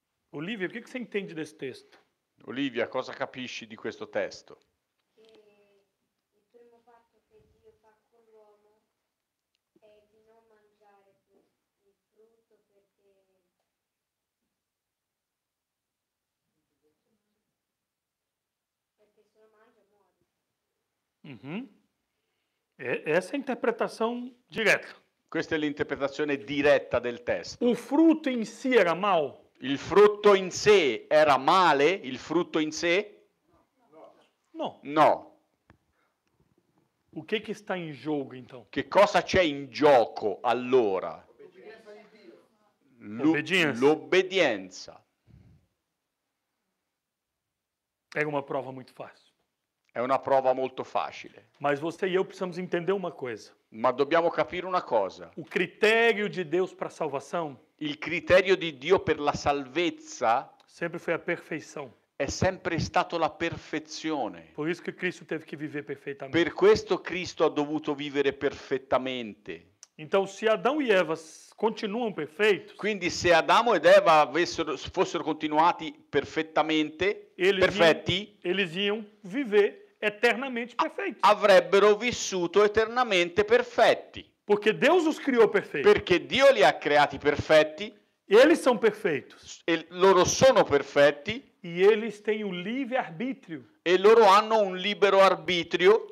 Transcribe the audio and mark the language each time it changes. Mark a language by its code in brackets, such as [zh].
[pt] Olivia, o que você entende desse texto? [it] Olivia, cosa capisci di questo testo? Che il primo patto che Dio fa con l'uomo è di non mangiare il frutto perché se lo mangia muore. Essa è interpretazione diretta. Questa è l'interpretazione diretta del testo. Il frutto in sé era mal. Il frutto in sé era male? Il frutto in sé? No. No. O che sta in gioco, então? Che cosa c'è in gioco, allora? L'obbedienza. L'obbedienza. È una prova molto facile. È una prova molto facile. [pt] Ma você e eu precisamos entender uma coisa. [it] Ma dobbiamo capire una cosa. [pt] O critério de Deus para salvação? [it] Il criterio di Dio per la salvezza [pt] sempre foi a perfeição. [it] È sempre stato la perfezione. [pt] Por isso que Cristo teve que viver perfeitamente. [it] Per questo Cristo ha dovuto vivere perfettamente. [pt] Então se Adão e Eva continuam perfeitos? [it] Quindi se Adamo ed Eva fossero continuati perfettamente, [pt] eles [it] perfetti, [pt] eles iam viver eternamente perfeitos. [it] Avrebbero vissuto eternamente perfetti. [pt] Porque Deus os criou perfeitos. [it] Perché Dio li ha creati perfetti. [pt] Eles são perfeitos. [it] E loro sono perfetti. [pt] E eles têm o livre arbítrio. [it] E loro hanno un libero arbítrio.